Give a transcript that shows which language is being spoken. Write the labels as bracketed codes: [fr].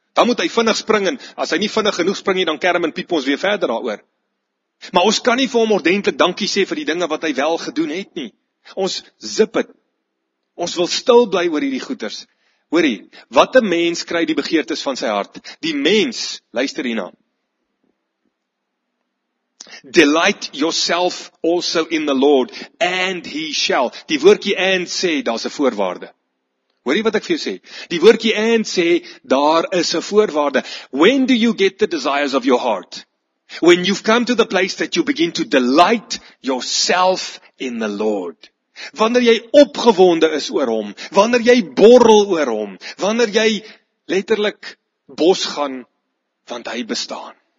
[af] Dan moet hy vinnig spring, en as hy nie vinnig genoeg spring nie, dan kerm en piep ons weer verder daaroor. Maar ons kan nie vir hom ordentlik dankie sê vir die dinge wat hy wel gedoen het nie. Ons zip het. Ons wil stil bly oor hierdie goeters. Hoorie, wat 'n mens kry die begeertes van sy hart. Die mens, luister hierna. [en] Delight yourself also in the Lord, and he shall. [af] Die woordjie and sê, daar's 'n voorwaarde. Hoorie wat ek vir jou sê. Die woordjie and sê, daar is 'n voorwaarde. [en] When do you get the desires of your heart? When you've come to the place that you begin to delight yourself in the Lord. [af] Wanneer jy opgewonde is oor hom, wanneer jy borrel oor hom, wanneer jy letterlik bos gaan, want hy bestaan.